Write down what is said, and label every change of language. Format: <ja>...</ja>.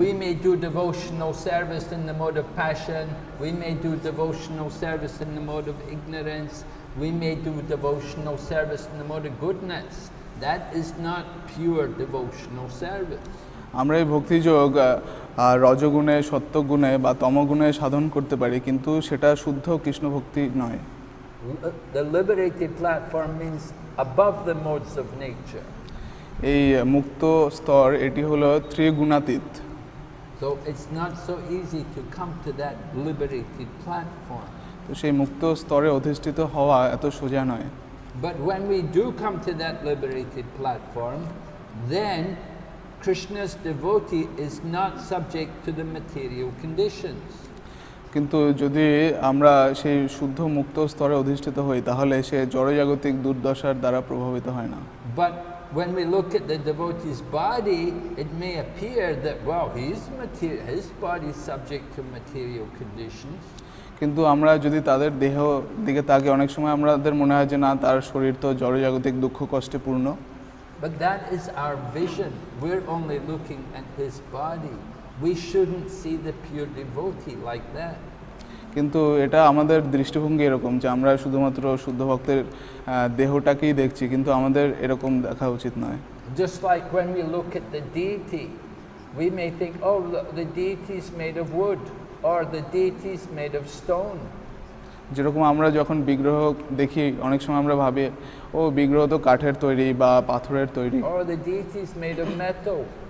<en>We may do devotional service in the mode of passion, we may do devotional service in the mode of ignorance, we may do devotional service in the mode of goodness. That is not pure devotional service.</en> <bn>আমরা এই ভক্তিযোগ রজগুণে সত্ত্বগুণে বা তমগুণে সাধন করতে পারি কিন্তু সেটা শুদ্ধ কৃষ্ণ ভক্তি নয়।</bn> <en>The liberated platform means above the modes of nature.</en> <bn>এই মুক্ত স্তর এটি হলো ত্রিগুণাতীত।</bn> <en>So it's not so easy to come to that liberated platform.</en> <bn>তো সেই মুক্ত স্তরে অধিষ্ঠিত হওয়া এত সোজা নয়।</bn> <en>But when we do come to that liberated platform, then Krishna's devotee is not subject to the material conditions.</en> <bn>কিন্তু যদি আমরা সেই শুদ্ধ মুক্ত স্তরে অধিষ্ঠিত হই তাহলে সে জড়জাগতিক দুর্দশার দ্বারা প্রভাবিত হয় না।</bn> <en>But when we look at the devotee's body, it may appear that well, his body is subject to material conditions.</en> <bn>কিন্তু আমরা যদি তাদের দেহ দিকে তাকাই অনেক সময় আমাদের মনে হয় যে না তার শরীর তো জড়জাগতিক দুঃখ কষ্টে পূর্ণ।</bn> <en>But that is our vision. We're only looking at his body. We shouldn't see the pure devotee like that.</en> <bn>কিন্তু এটা আমাদের দৃষ্টিভঙ্গি এরকম যে আমরা শুধুমাত্র শুদ্ধ ভক্তের দেহটাকেই দেখছি, কিন্তু আমাদের এরকম দেখা উচিত নয়।</bn> <en>Just like when we look at the deity, we may think, oh, the deity is made of wood or the deity is made of stone.</en> <bn>যেরকম আমরা যখন বিগ্রহ দেখি অনেক সময় আমরা ভাবি ও বিগ্রহ তো কাঠের তৈরি বা পাথরের তৈরি,</bn> <en>or the deity is made of metal.</en>